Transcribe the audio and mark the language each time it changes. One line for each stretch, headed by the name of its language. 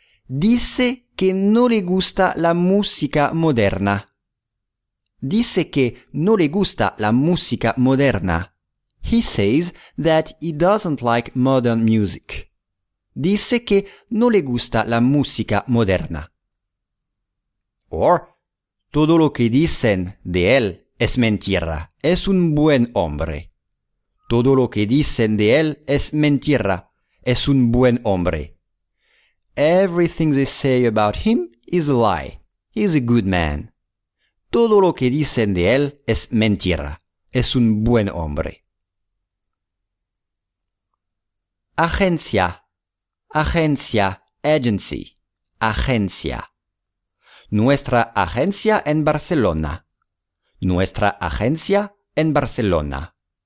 Spanish: Dice que no le gusta la música moderna. Dice que no le gusta la música moderna.
English: He says that he doesn't like modern music.
Spanish: Dice que no le gusta la música moderna. Or, todo lo que dicen de él es mentira. Es un buen hombre. Todo lo que dicen de él es mentira. Es un buen hombre.
English: Everything they say about him is a lie. He's a good man.
Spanish: Todo lo que dicen de él es mentira. Es un buen hombre. Agencia. Agencia. Agency. Agencia. Nuestra agencia en Barcelona. Nuestra agencia en Barcelona.